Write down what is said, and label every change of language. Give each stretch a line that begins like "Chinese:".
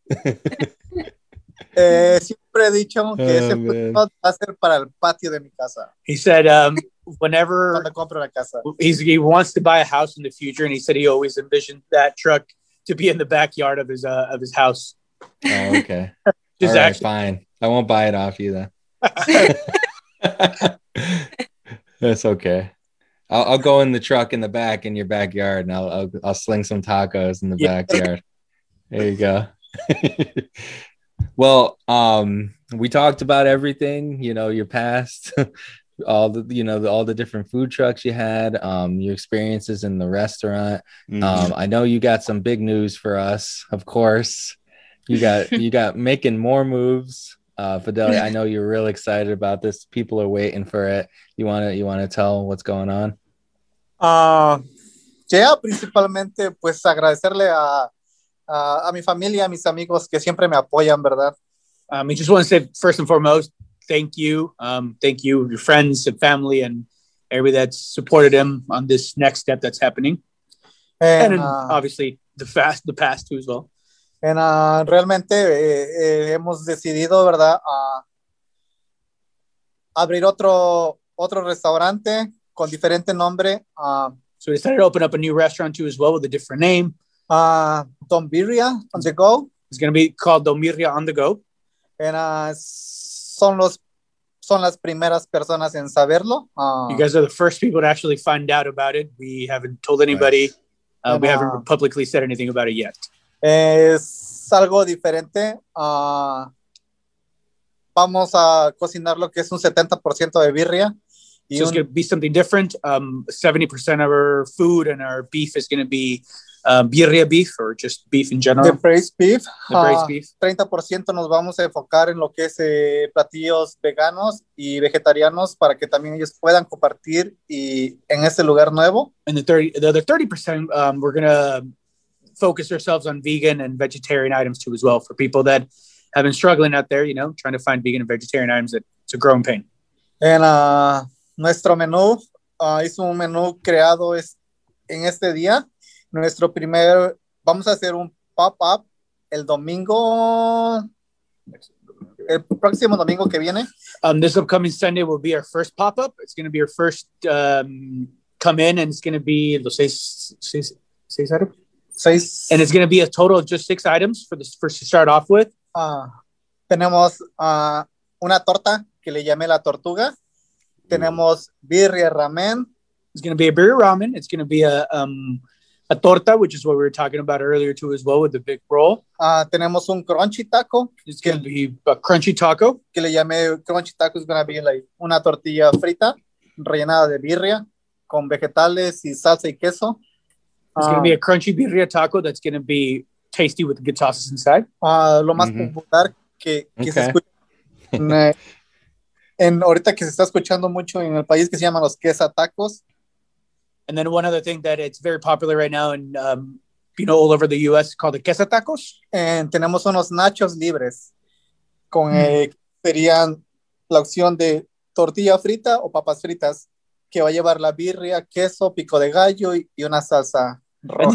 Spanish: siempre he dicho que ese food truck va a ser para el patio de mi casa.
English: He said whenever
Spanish: la casa.
English: He wants to buy a house in the future, and he said he always envisioned that truck to be in the backyard of his house. Oh, okay. All right, fine. I won't buy it off you then. That's okay. I'll go in the truck in the back in your backyard, and I'll sling some tacos in the backyard. There you go. Well, we talked about everything, you know, your past, all the different food trucks you had, your experiences in the restaurant. I know you got some big news for us. Of course, you got making more moves. Fidelia, I know you're real excited about this. People are waiting for it. You want to tell what's going on? Yeah,
Spanish: principalmente, pues agradecerle a mi familia, a mis amigos que siempre me apoyan, ¿verdad?
English: I just want to say, first and foremost, thank you. Thank you, your friends and family and everybody that's supported him on this next step that's happening. And obviously, the past too as well. And
Spanish: realmente hemos decidido, ¿verdad? Abrir otro restaurante con diferente nombre.
English: So we decided to open up a new restaurant too as well with a different name. Don Birria on the go. It's going to be called Don Birria on the go. And
Spanish: son las primeras personas en saberlo.
English: You guys are the first people to actually find out about it. We haven't told anybody. Nice. We haven't publicly said anything about it yet.
Spanish: Es algo diferente. Vamos a cocinar lo que es un 70% de birria.
English: So it's going to be something different. 70% of our food and our beef is going to be birria beef or just beef in general? The braised beef. The braised beef.
Spanish: 30% nos vamos a enfocar en lo que es platillos veganos y vegetarianos para que también ellos puedan compartir y en este lugar nuevo.
English: And the other 30%, we're going to focus ourselves on vegan and vegetarian items too as well for people that have been struggling out there, you know, trying to find vegan and vegetarian items that it's a growing pain. And
Spanish: nuestro menú es un menú creado en este día. Nuestro primer, vamos a hacer un pop-up el domingo, el próximo domingo que viene.
English: This upcoming Sunday will be our first pop-up. It's going to be our first come in, and it's going to be
Spanish: los seis
English: items.
Spanish: Seis.
English: And it's going to be a total of just six items for the first to start off with.
Spanish: Tenemos una torta que le llamé la tortuga. Tenemos birria ramen.
English: It's going to be a birria ramen. It's going to be a torta, which is what we were talking about earlier too as well with the big roll.
Spanish: Tenemos un crunchy taco.
English: It's going to be a crunchy taco.
Spanish: Que le llamé crunchy taco.
English: Is going to be like
Spanish: una tortilla frita rellenada de birria con vegetales y salsa y queso.
English: It's going to be a crunchy birria taco that's going to be tasty with good sauces inside.
Spanish: Lo más popular que se escucha en ahorita que se está escuchando mucho en el país que se llaman los quesa tacos.
English: And then one other thing that it's very popular right now and you know, all over the U.S. called the quesa tacos. And
Spanish: tenemos unos nachos libres con serían la opción de tortilla frita o papas fritas que va a llevar la birria, queso, pico de gallo y una salsa roja.